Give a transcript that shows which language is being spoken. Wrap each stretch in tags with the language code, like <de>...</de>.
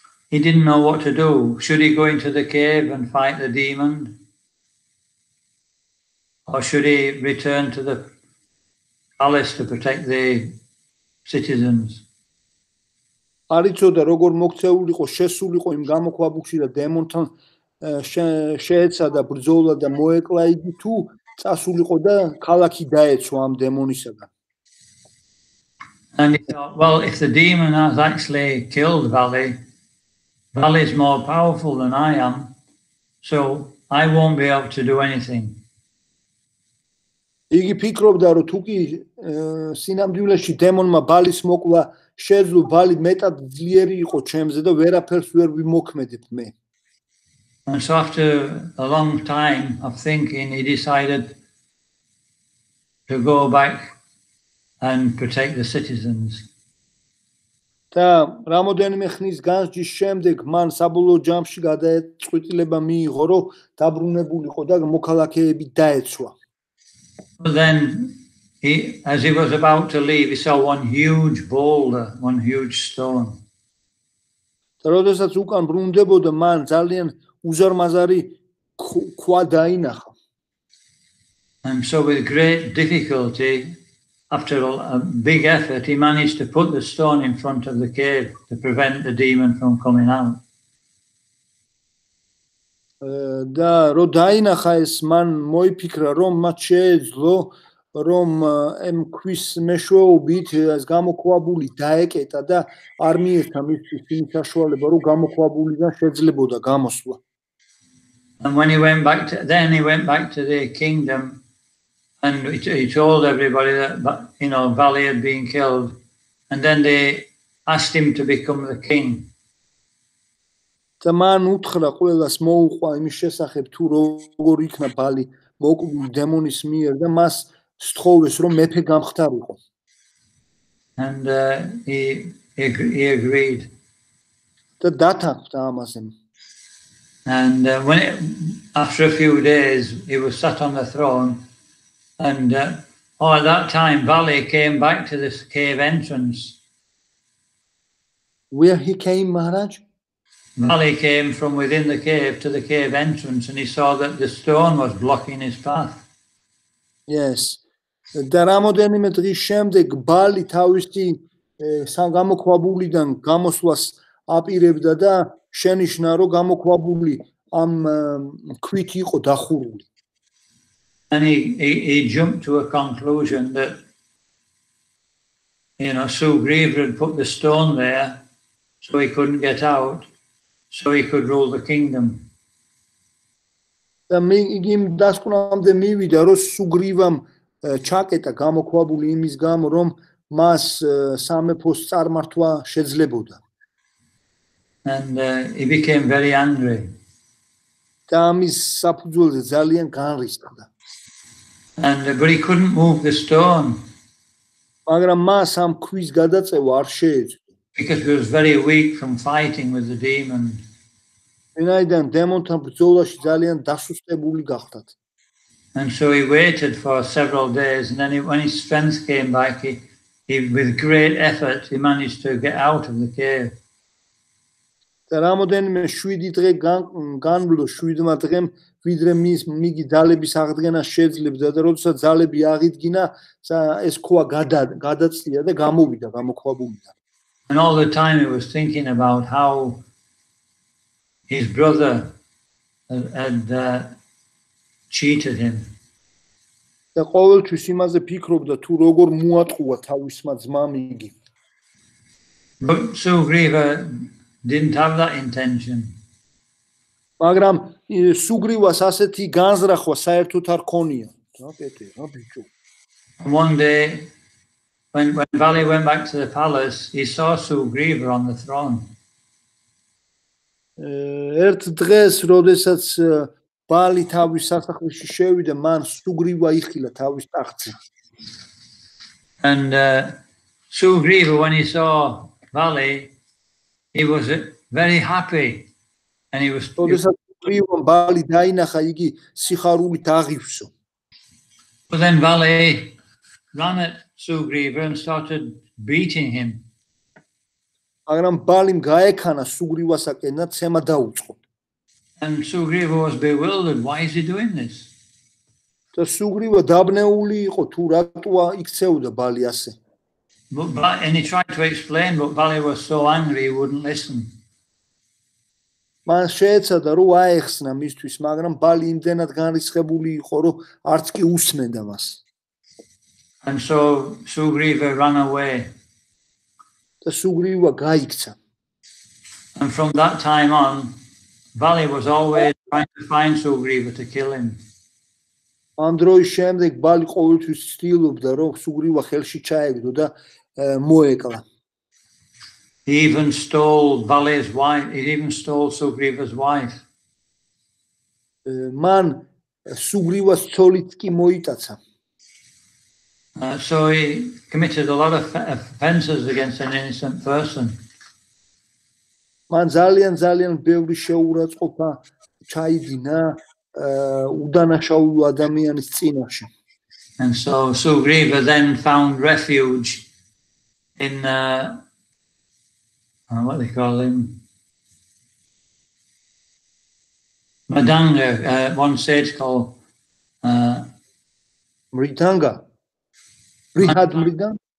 <en>He didn't know what to do. Should he go into the cave and fight the demon? Or should he return to the palace to protect the citizens?</en> <ka>Არიწოდა როგორ მოქცეულიყო, შესულიყო იმ გამოქვაბულში და დემონთან შეეცა და ბრძოლა და მოეკლა იგი თუ წასულიყო და ქალაქი დაეცვა ამ დემონისაგან.</ka> <en>And he thought, well, if the demon has actually killed Vali, Vali is more powerful than I am, so I won't be able to do anything.</en> <ka>იგი ფიქრობდა რომ თუ კი სინამდვილეში დემონმა ბალის მოკვლა შეძლო ბალი მეტად ძლიერი იყო ჩემზე და ვერაფერს ვერ ვიმოქმედებ მე.</ka> <en>And so after a long time of thinking, he decided to go back and protect the citizens.</en> <ka>Და რამოდენიმე ხნის განსჯის შემდეგ მან საბოლოო ჯამში გადაწყვეტილება მიიღო რომ დაბრუნებულიყო და მოქალაქეები დაეცვა.</ka> <en>But then, as he was about to leave, he saw one huge boulder, one huge stone.</en> <ka>როდესაც უკან ბრუნდებოდა, მან ძალიან უზარმაზარი ქვა დაინახა.</ka> <en>And so with great difficulty, after a big effort, he managed to put the stone in front of the cave to prevent the demon from coming out.</en> <ka>Და რო დაინახა ეს მან მოიფიქრა რომ მათ შეეძლო რომ ამ ქვის მეშვეობით ეს გამოქვაბული დაეკეტა და არ მიერთა მისთვის იმ საშუალება რომ გამოქვაბულიდან შეძლებოდა გამოსვლა.</ka> <en>Then he went back to the kingdom and he told everybody that you know Vali had been killed and then they asked him to become the king.</en> <ka>და მან უთხრა ყველას მოუყვა იმის შესახებ თუ როგორ იქნა ბალი მოკვლული დემონის მიერ და მას სთხოვეს რომ მეფე გამხდარიყო.</ka> <en>And he agreed.</en> <ka>და დათანხმდა ამაზე.</ka> <en>And when after a few days he was sat on the throne and at that time Vali came back to this cave entrance. Where he came, Maharaj? Vali came from within the cave to the cave entrance and he saw that the stone was blocking his path. Yes.</en> <ka>და რამოდენიმე დღის შემდეგ ბალი თავისი გამოქვაბულიდან გამოსვლას აპირებდა და შენიშნა რომ გამოქვაბული ამ ქვით იყო დახურული.</ka> <en>And he jumped to a conclusion that you know Sugriva had put the stone there so he couldn't get out. So he could rule the kingdom.</en> <ka>Და მე იგი დასკვნამდე მივიდა რომ სუგრივამ ჩაკეტა გამოქვაბული იმის გამო რომ მას სამეფოს წარმართვა შეძლებოდა.</ka> <en>And he became very angry.</en> <ka>და ამის საფუძველზე ძალიან განრისხდა.</ka> <en>And but he couldn't move the stone.</en> <ka>მაგრამ მას ამ ქვის გადაწევა არ შეეძლო.</ka> <en>Because he was very weak from fighting with the demon.</en> <ka>Ვინაიდან დემონთან ბრძოლაში ძალიან დასუსტებული გახდა.</ka> <en>And so he waited for several days and then when his strength came back he with great effort he managed to get out of the cave.</en> <ka>და რამოდენიმე 7 დღე განვლო 7 დღემ ვიდრე მიგი ძალების აღდგენა შეძლებდა და როცა ძალები აღიდგინა ეს ქვა გადაწია და გამოვიდა გამოქვაბულიდან.</ka> <en>And all the time he was thinking about how his brother had cheated him.</en> <ka>და ყოველთვის იმაზე ფიქრობდა თუ როგორ მოატყუა თავისმა ძმამ იგი.</ka> <en>But Sugriva didn't have that intention.</en> <ka>მაგრამ სუგრივას ასეთი განზრახვა საერთოდ არ ქონია. რა პეტე, რა ბიჭო.</ka> <en>One day When Vali went back to the palace, he saw Sugriva on the throne.</en> <ka>ერთ დღეს, როდესაც ბალი თავის სასახლეში შევიდა, მან სუგრივა იხილა თავის ტახტზე.</ka> <en>And Sugriva, when he saw Vali, he was very happy. And he was...</en> <ka>როდესაც სუგრივა ბალი დაინახა, იგი სიხარულით აღივსო.</ka> <en>But then Vali ran at Sugriva and started beating him.</en> <ka>მაგრამ ბალიმ გაექანა სუგრივასაკენ და ცემა დაუწყო.</ka> <en>And Sugriva was bewildered. Why is he doing this?</en> <ka>და სუგრივა დაბნეული იყო თუ რატოა იქცეოდა ბალი ასე.</ka> <en>And he tried to explain, but Bali was so angry he wouldn't listen.</en> <ka>მან შეეცადა რომ აეხსნა მისთვის, მაგრამ ბალი იმდენად განრისხებული იყო, რომ არც კი უსმენდა მას.</ka> <en>And so Sugriva ran away.</en> <ka>და სუგრივა გაიქცა.</ka> <en>And from that time on, Bali was always trying to find Sugriva to kill him.</en> <ka>ამ დროის შემდეგ ბალი ყოველთვის ცდილობდა, რომ სუგრივა ხელში ჩაეგდო და მოეკლა.</ka> <en>He even stole Bali's wife. He even stole Sugriva's wife.</en> <ka>Man Sugriva's ცოლიც კი მოიტაცა.</ka> <en>So he committed a lot of offenses against an innocent person.</en> <ka>Man ძალიან ძალიან ბევრი შეურაცხყოფა ჩაიძინა უდანაშაულო ადამიანის წინაშე.</ka> <en>And so Sugriva then found refuge in what they call him, Madanga, one sage called Mridanga. Brihad Mridanga.</en>